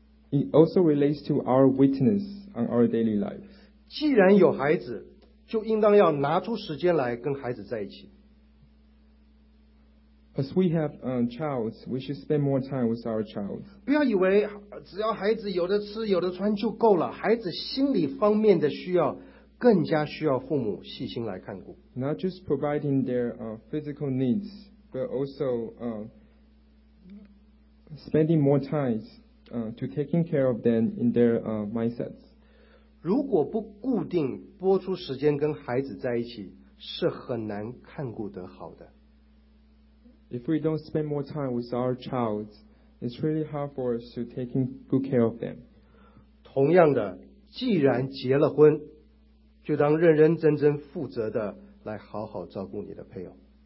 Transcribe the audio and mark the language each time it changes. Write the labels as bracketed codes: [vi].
[en] It also relates to our witness on our daily lives. [zh] 既然有孩子，就应当要拿出时间来跟孩子在一起。 [en] As we have child, we should spend more time with our child. [zh] 不要以为只要孩子有的吃有的穿就够了，孩子心理方面的需要。更加需要父母细心来看顾。 [en] Not just providing their physical needs, but also spending more time to taking care of them in their mindsets. [zh] 如果不固定拨出时间跟孩子在一起，是很难看顾得好的。 [en] If we don't spend more time with our child, it's really hard for us to taking good care of them. [zh] 同样的，既然结了婚。就当认认真真负责的来好好照顾你的配偶。